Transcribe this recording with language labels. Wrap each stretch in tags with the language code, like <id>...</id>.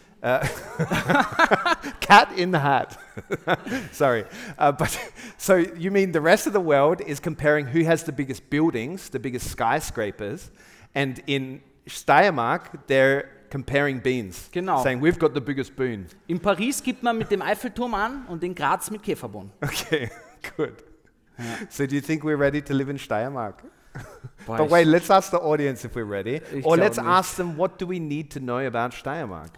<en>cat in the hat. Sorry. But so you mean the rest of the world is comparing who has the biggest buildings, the biggest skyscrapers, and in Steiermark, they're comparing beans.</en> <de>Genau.</de> <en>Saying, we've got the biggest bean.</en> <de>In Paris gibt man mit dem Eiffelturm an und in Graz mit Käferbohnen.</de> <en>Okay, good. Yeah. So do you think we're ready to live in Steiermark? But wait, let's ask the audience if we're ready.</en> <de>Ich</de> <en>Or let's</en> <de>nicht.</de> <en>Ask them, what do we need to know about Steiermark?</en>